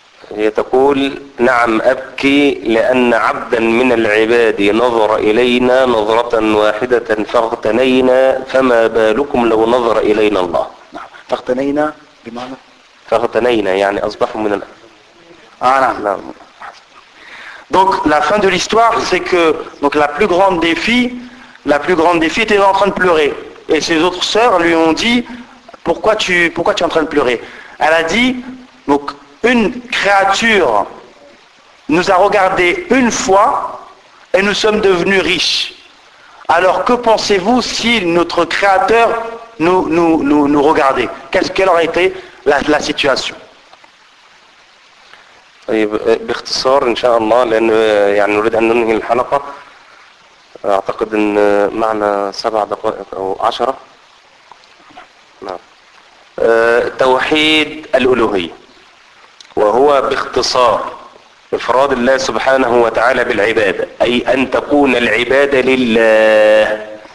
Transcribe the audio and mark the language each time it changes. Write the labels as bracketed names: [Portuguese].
[Arabic] يقول نعم أبكي لأن عبدا من العباد نظر إلينا نظرة واحدة فاغتنينا فما بالكم لو نظر إلينا الله. نعم فاغتنينا بمعنى فاغتنينا يعني أصبحوا من [French] Voilà. Donc la fin de l'histoire, c'est que donc la plus grande des filles, était en train de pleurer. Et ses autres sœurs lui ont dit, pourquoi tu es en train de pleurer? Elle a dit, donc une créature nous a regardé une fois et nous sommes devenus riches. Alors que pensez-vous si notre créateur nous regardait? Quelle aurait été la situation? [Arabic] طيب باختصار ان شاء الله لان يعني نريد ان ننهي الحلقة اعتقد ان معنا 7 دقائق او 10 نعم توحيد الالوهية وهو باختصار افراد الله سبحانه وتعالى بالعبادة اي ان تكون العبادة لله